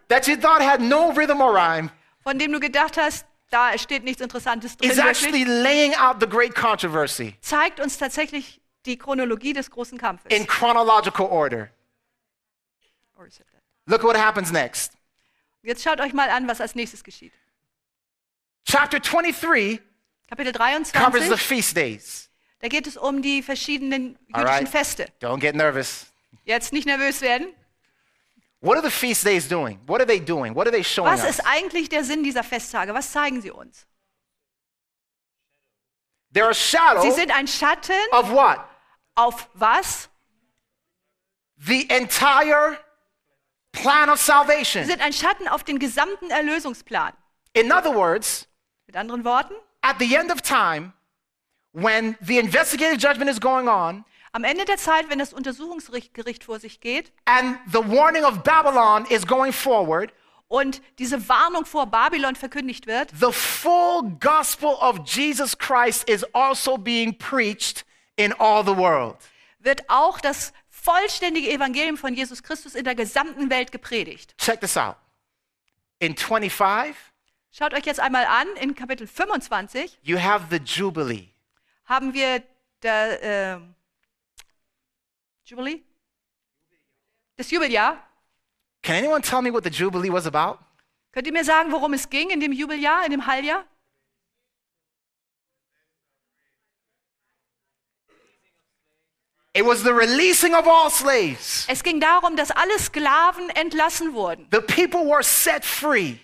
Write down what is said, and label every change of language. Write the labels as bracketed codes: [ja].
[en] That you thought had no rhythm or rhyme. [de] Von dem du gedacht hast, da steht nichts Interessantes drin. [en] Is actually laying out the great controversy. [de] Zeigt uns tatsächlich die Chronologie des großen Kampfes. [en] In chronological order. Or is it that? Look what happens next. [de] Jetzt schaut euch mal an, was als nächstes geschieht. [en] Chapter 23, [de] Kapitel 23 [en] covers the feast days. [de] Da geht es um die verschiedenen jüdischen [en] All right. [de] Feste. [en] Don't get nervous. [de] Jetzt nicht nervös werden. [en] What are the feast days doing? What are they doing? What are they showing [de] was [en] us? [de] Was ist eigentlich der Sinn dieser Festtage? Was zeigen sie uns? [en] They're a shadow. [de] Sie sind ein Schatten. [en] Of what? [de] Auf was? [en] The entire plan of salvation. [de] Sie sind ein Schatten auf den gesamten Erlösungsplan. [en] In other words, [de] mit anderen Worten, [en] at the end of time, when the investigative judgment is going on, [de] am Ende der Zeit, wenn das Untersuchungsgericht vor sich geht, [en] and the warning of Babylon is going forward, [de] und diese Warnung vor Babylon verkündigt wird, [en] the full gospel of Jesus Christ is also being preached in all the world. [de] Wird auch das vollständige Evangelium von Jesus Christus in der gesamten Welt gepredigt. [en] Check this out. In 25, [de] schaut euch jetzt einmal an, in Kapitel 25, [en] you have the Jubilee. [de] Haben wir der Jubilee? Das Jubeljahr. [en] Can anyone tell me what the Jubilee was about? [de] Könnt ihr mir sagen, worum es ging in dem Jubeljahr, in dem Halbjahr? [en] It was the releasing of all slaves. [de] Es ging darum, dass alle Sklaven entlassen wurden. [en] The people were set free.